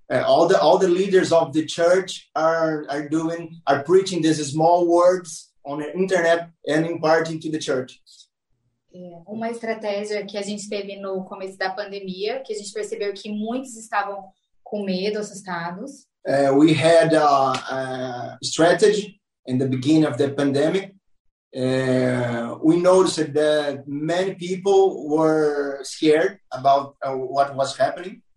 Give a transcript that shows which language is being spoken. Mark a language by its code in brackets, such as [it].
[en] All the leaders of the church are preaching these small words on the internet and imparting to the church. [pt] Uma estratégia que a gente teve no começo da pandemia, que a gente percebeu que muitos estavam com medo, assustados. [en] We had a strategy in the beginning of the pandemic. We noticed that many people were scared about what was happening.